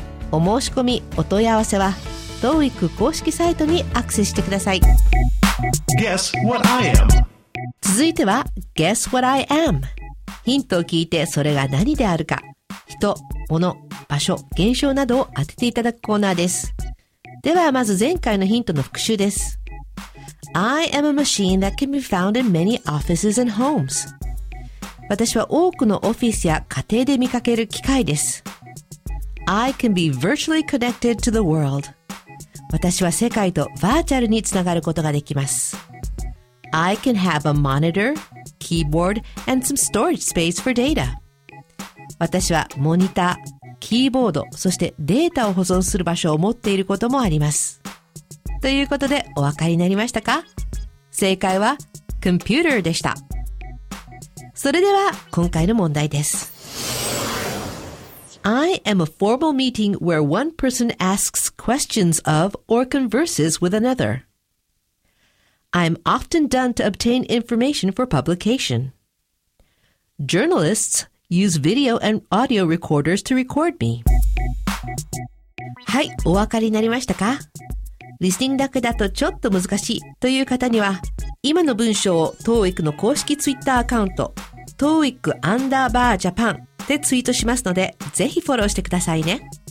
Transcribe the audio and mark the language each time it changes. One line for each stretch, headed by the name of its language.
Japanese: お申し込み、お問い合わせは TOEIC 公式サイトにアクセスしてください。
English: Guess what I am.
Japanese: 続いては
English: Guess what I am.
Japanese: ヒントを聞いてそれが何であるか、人、物、場所、現象などを当てていただくコーナーです。ではまず前回のヒントの復習です。
English: I am a machine that can be found in many offices and homes.
Japanese: 私は多くのオフィスや家庭で見かける機械です。
English: I can be virtually connected to the world.
Japanese: 私は世界とバーチャルにつながることができます。
English: I can have a monitor, keyboard, and some storage space for data.
Japanese: 私はモニター、キーボード、そしてデータを保存する場所を持っていることもあります。ということでお分かりになりましたか？正解は computer でした。それでは今回の問題です。
English: I am a formal meeting where one person asks questions of or converses with another. I'm often done to obtain information for publication. Journalists use video and audio recorders to record me.
Japanese: はい、お分かりになりましたか？リスニングだけだとちょっと難しいという方には今の文章を TOEIC の公式ツイッターアカウント TOEIC アンダーバージャパンでツイートしますので、ぜひフォローしてくださいね。